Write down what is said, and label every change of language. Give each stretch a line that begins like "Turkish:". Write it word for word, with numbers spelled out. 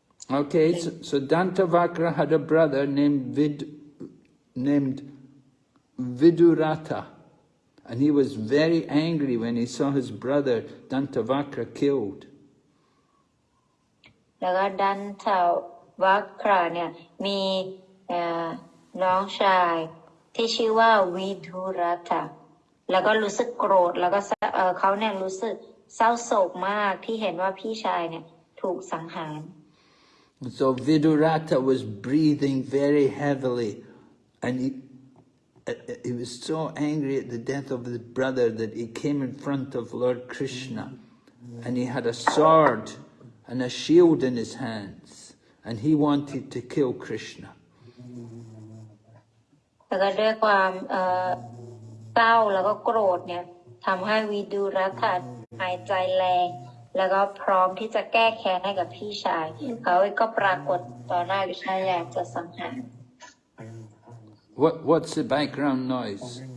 English: Okay, so, so Dantavakra had a brother named Vid, named Vidurata, and he was very angry when he saw his brother Dantavakra killed.
Thai: แล้วก็ดันเทาวัคคราเนี่ยมีเอ่อน้องชายที่ชื่อว่าวีธุรัตะแล้วก็รู้สึกโกรธแล้วก็เศร้าเอ่อเขาเนี่ยรู้สึกเศร้าโศกมากที่เห็นว่าพี่ชายเนี่ยถูกสังหาร
English: So Vidurata was breathing very heavily, and he, uh, uh, he was so angry at the death of his brother that he came in front of Lord Krishna, and he had a sword and a shield in his hands, and he wanted to kill Krishna.
Thai: แล้วก็ด้วยความเอ่อเศร้าแล้วก็โกรธเนี่ยทำให้วีดูรัตะหายใจแรง แล้วก็พร้อมที่จะแก้แค้นให้กับพี่ชายเขาก็ปรากฏต่อหน้าวิชาอยากจะสังหาร
English: What what's the background noise?